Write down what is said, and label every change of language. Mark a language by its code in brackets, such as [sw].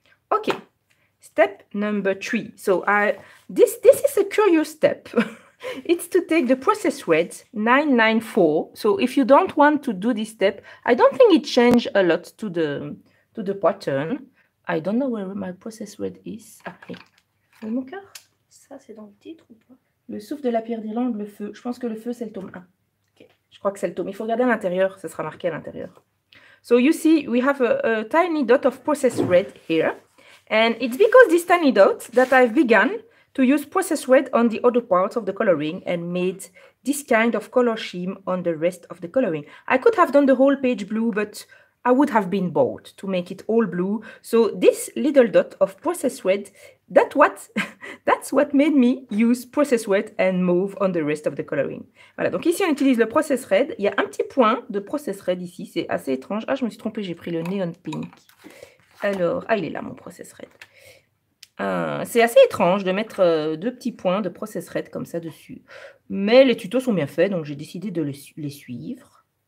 [en] Okay, step number three. So this is a curious step. It's to take the process red 994. So if you don't want to do this step, I don't think it changed a lot to the pattern. I don't know where my process red is. Ah, hey. [fr] Oui, mon cœur. Ça c'est dans le titre ou pas? Le souffle de la pierre d'Irlande, le feu. Je pense que le feu c'est le tome 1. [en] Okay. [fr] Je crois que c'est le tome. Il faut regarder à l'intérieur. Ça sera marqué à l'intérieur. [en] So you see, we have a tiny dot of process red here, and it's because this tiny dot that I've begun to use process red on the other parts of the coloring and made this kind of color scheme on the rest of the coloring. I could have done the whole page blue, but I would have been bored to make it all blue. So this little dot of process red, that's what made me use process red and mauve on the rest of the coloring. [fr] Voilà, donc ici on utilise le process red. Il y a un petit point de process red ici, c'est assez étrange. Ah, je me suis trompée, j'ai pris le neon pink. Alors, ah, il est là mon process red. C'est assez étrange de mettre deux petits points de process red comme ça dessus. Mais les tutos sont bien faits, donc j'ai décidé de les suivre.